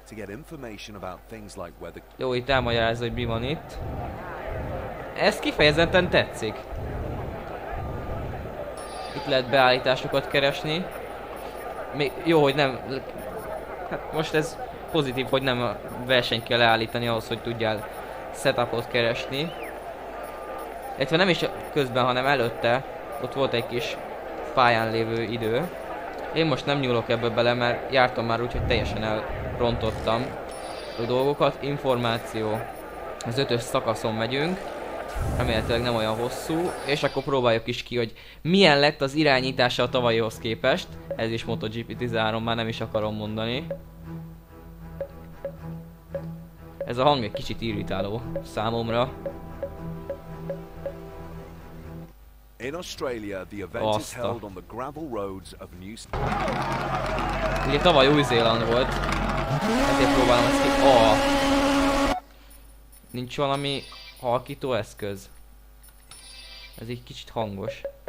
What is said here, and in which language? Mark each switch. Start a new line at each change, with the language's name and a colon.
English: to get information about things like weather.
Hungarian: Jó, itt elmagyarázza, hogy mi van itt. Ez kifejezetten tetszik. Itt lehet beállításokat keresni. Még jó, hogy nem... Hát most ez pozitív, hogy nem a versenyt kell leállítani ahhoz, hogy tudjál setupot keresni. Egyébként nem is közben, hanem előtte. Ott volt egy kis pályán lévő idő. Én most nem nyúlok ebbe bele, mert jártam már úgy, hogy teljesen elrontottam a dolgokat. Információ. Az ötös szakaszon megyünk. Remélhetőleg nem olyan hosszú. És akkor próbáljuk is ki, hogy milyen lett az irányítása a tavalyihoz képest. Ez is MotoGP 13, már nem is akarom mondani. Ez a hang egy kicsit irritáló számomra.
English: In Australia, the event is held on the gravel roads of New Zealand.
Hungarian: Ugye tavaly Új-Zéland volt. Ezért próbálom ezt ki. Oh. Nincs valami halkító eszköz. Ez egy kicsit hangos.